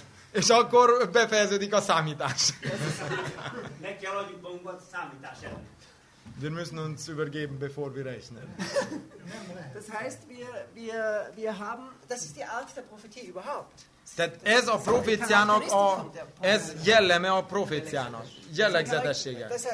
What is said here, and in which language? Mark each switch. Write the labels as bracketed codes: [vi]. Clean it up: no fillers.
[hu] És akkor befejeződik a számítás. Meg kell adjuk magunkat a számítás előtt. [de] Wir müssen uns übergeben, bevor wir rechnen. Das heißt, wir haben, das ist die Art der Prophetie überhaupt. [hu] Tehát ez a proféciának, ez jelleme a proféciának, jellegzetessége.